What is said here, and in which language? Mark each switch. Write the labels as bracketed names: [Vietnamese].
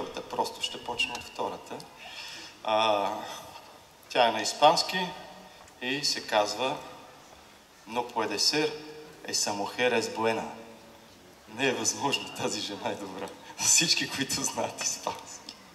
[Bulgarian] Просто ще почна от втората. Тя е на испански и се казва [Spanish] «No puede ser, esa mujer es buena». [Bulgarian] Не е възможно, тази жена е добра. Всички, които знаят испански.